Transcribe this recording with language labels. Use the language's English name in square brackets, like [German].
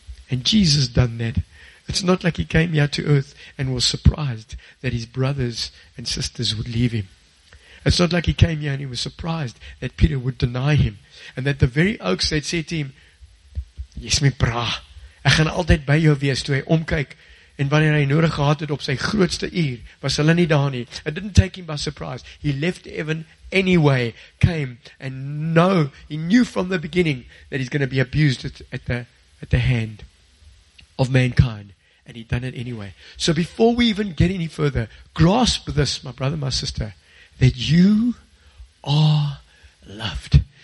[English] And Jesus done that. It's not like he came here to earth and was surprised that his brothers and sisters would leave him. It's not like he came here and he was surprised that Peter would deny him. And that the very oaks that said to him, Yes, my brah, [Afrikaans] ek gaan altyd by jou wees, toe hy omkyk. En wanneer hy nodig gehad het op sy grootste uur, was hulle nie daar nie. [English] It didn't take him by surprise. He left heaven anyway, came, and he knew from the beginning that he's going to be abused at the hand of mankind. And he done it anyway. So before we even get any further, grasp this, my brother, my sister, that you are loved.